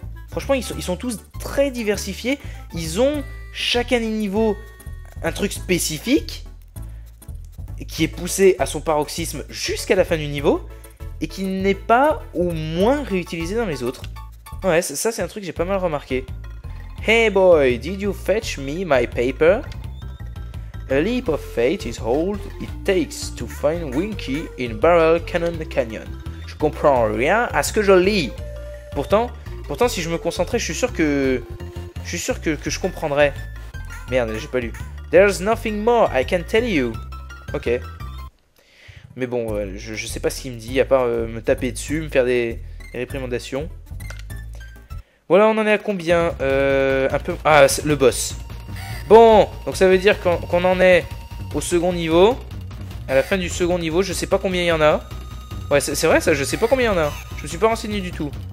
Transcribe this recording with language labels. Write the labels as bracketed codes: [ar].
[fr] Franchement, ils sont tous très diversifiés. Ils ont chacun des niveaux un truc spécifique qui est poussé à son paroxysme jusqu'à la fin du niveau et qui n'est pas ou moins réutilisé dans les autres. Ouais, ça c'est un truc que j'ai pas mal remarqué. [en] Hey boy, did you fetch me my paper? A leap of faith is all it takes to find Winky in Barrel Cannon Canyon. [fr] Je comprends rien à ce que je lis. Pourtant, si je me concentrais, je suis sûr que je comprendrais. Merde, j'ai pas lu. [en] There's nothing more I can tell you. Ok. [fr] Mais bon, je sais pas ce qu'il me dit, à part me taper dessus, me faire des réprimandations. Voilà, on en est à combien? Un peu. Ah, le boss. Bon, donc ça veut dire qu'on en est au second niveau. À la fin du second niveau, je sais pas combien il y en a. Ouais, c'est vrai ça, je sais pas combien il y en a. Je me suis pas renseigné du tout.